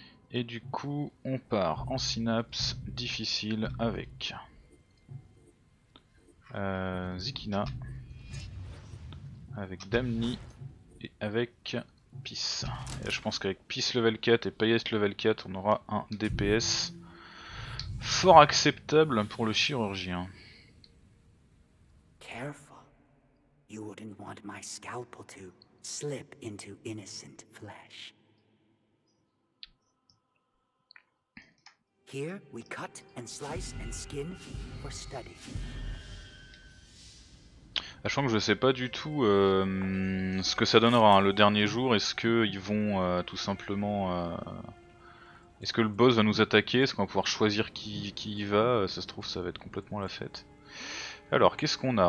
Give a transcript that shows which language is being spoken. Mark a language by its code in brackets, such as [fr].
[fr] Et du coup, on part en synapse difficile avec Zikina, avec Damni et avec Peace. Et là, je pense qu'avec Peace level 4 et Payest level 4, on aura un DPS fort acceptable pour le chirurgien. [en] Careful, you wouldn't want my scalpel to slip into innocent flesh. Here we cut and slice and skin for study. [fr] Sachant que je sais pas du tout ce que ça donnera hein, le dernier jour. Est-ce que ils vont tout simplement est-ce que le boss va nous attaquer? Est-ce qu'on va pouvoir choisir qui y va? Ça se trouve ça va être complètement la fête. Alors qu'est-ce qu'on a?